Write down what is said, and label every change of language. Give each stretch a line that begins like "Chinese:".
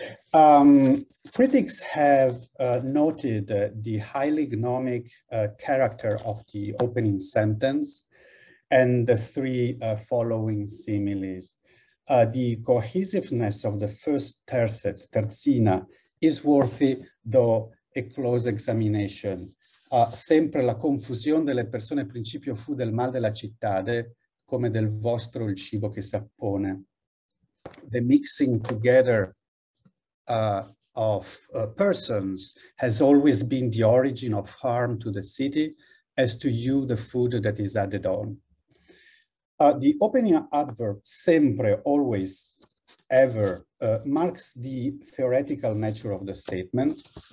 English: Critics have noted the highly gnomic character of the opening sentence and the three following similes. The cohesiveness of the first tercets, terzina, is worthy, though, a close examination.
Italian: Sempre la confusione delle persone principio fu del mal della cittade, come del vostro il cibo che s'appone.
English: The mixing together of persons has always been the origin of harm to the city, as to you the food that is added on. The opening adverb, sempre, always, ever, marks the theoretical nature of the statement.